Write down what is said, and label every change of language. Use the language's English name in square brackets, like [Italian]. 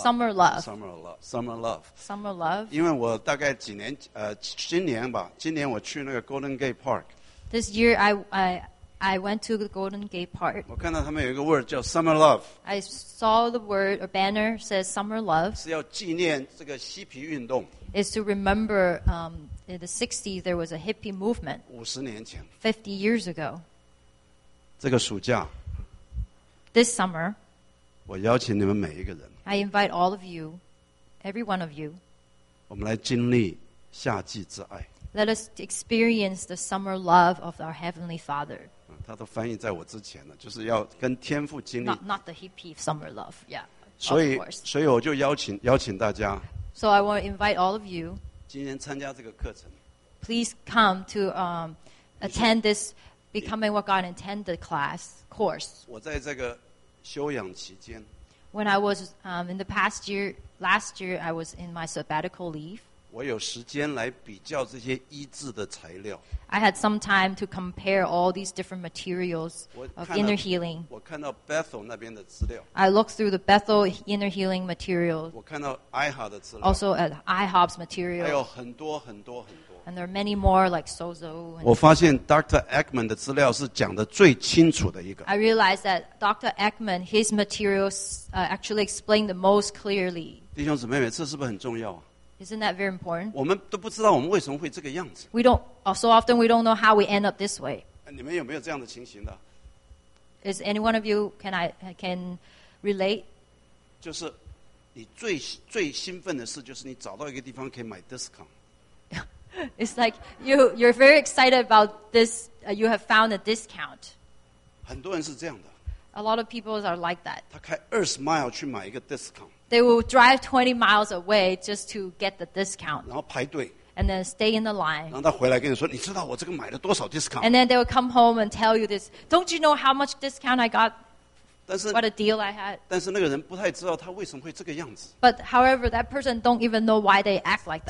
[English] Summer love. Summer love. Summer love. Summer love. [Chinese] 因为我大概几年今年吧，今年我去那个 Golden Gate Park. [English] This year I went to the Golden Gate Park. [Chinese] 我看到他们有一个 word 叫 summer love. [English] I saw the word or banner says summer love. [Chinese] 是要纪念这个嬉皮运动。 [English] Is to remember in the 60s there was a hippie movement. [Chinese] 50年前。 [English] 50 years ago. [Chinese] 这个暑假。 [English] This summer. [Chinese] 我邀请你们每一个人。 [English] I invite all of you, every one of you. [Chinese] 我们来经历夏季之爱。 [English] Let us experience the summer love of our Heavenly Father. [Chinese] 他都翻译在我之前了，就是要跟天父经历。 [English] Not the hippie summer love, yeah. [Chinese] 所以我就邀请大家。 [English] So I want to invite all of you. [Chinese] 今天参加这个课程。 [English] Please come to attend this Becoming What God Intended class course. [Chinese] 我在这个休养期间。 [English] When I was in the past year, last year I was in my sabbatical leave. [Chinese] 我有时间来比较这些医治的材料。 [English] I had some time to compare all these different materials of inner healing. [Chinese] 我看到 Bethel 那边的资料。 [English] I looked through the Bethel inner healing materials. [Chinese] 我看到 IHA 的资料。 [English] Also at IHOP's material. [Chinese] 还有很多很多很多。 [English] And there are many more like Sozo. [Chinese] 我发现 Dr. Ekman 的资料是讲的最清楚的一个。 [English] I realized that Dr. Ekman, his materials actually explained the most clearly. [Chinese] 弟兄姊妹们，这是不是很重要啊？ [English] Isn't that very important? [Chinese] 我们都不知道我们为什么会这个样子。 [English] We don't, so often we don't know how we end up this way. [Chinese] 你们有没有这样的情形的？ [English] Is any one of you, can relate? [Chinese] 就是你最兴奋的事就是你找到一个地方可以买 discount. [English] It's like you're very excited about this, you have found a discount. [Chinese] 很多人是这样的。 [English] A lot of people are like that. [Chinese] 他开20 mile 去买一个 discount. [English] They will drive 20 miles away just to get the discount. [Chinese] 然后排队。 [English] And then stay in the line. [Chinese] 然后他回来跟你说，你知道我这个买了多少 discount? [English] And then they will come home and tell you this. Don't you know how much discount I got? [Chinese] 但是 [English] what a deal I had. [Chinese] 但是那个人不太知道他为什么会这个样子。 [English] But however, that person don't even know why they act like that.